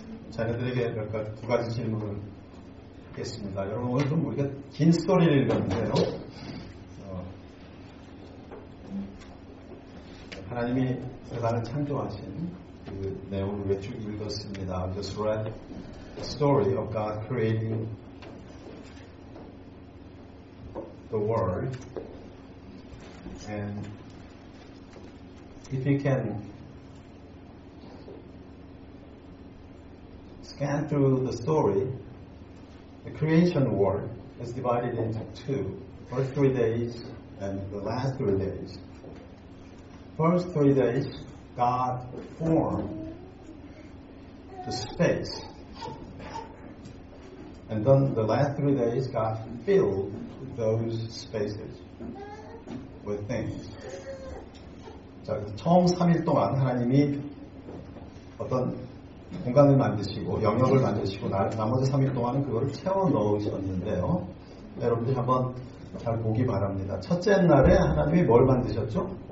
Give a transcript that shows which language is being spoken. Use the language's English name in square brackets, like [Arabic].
[Korean] 자녀들에게 몇 가지 두 가지 질문을 했습니다. 여러분 오늘 좀 우리가 긴 스토리를 읽었는데요. 하나님이 세상을 창조하신 그 내용을 외쭉 읽었습니다. [English] I just read the story of God creating the world. And if you can scan through the story, the creation world is divided into two, first 3 days and the last 3 days. First 3 days, God formed the space. And then the last 3 days, God filled those spaces with things. [Korean] 자, 처음 3일 동안 하나님이 어떤 공간을 만드시고 영역을 만드시고 나머지 3일 동안은 그걸 채워 넣으셨는데요. 여러분들 한번 잘 보기 바랍니다. 첫째 날에 하나님이 뭘 만드셨죠?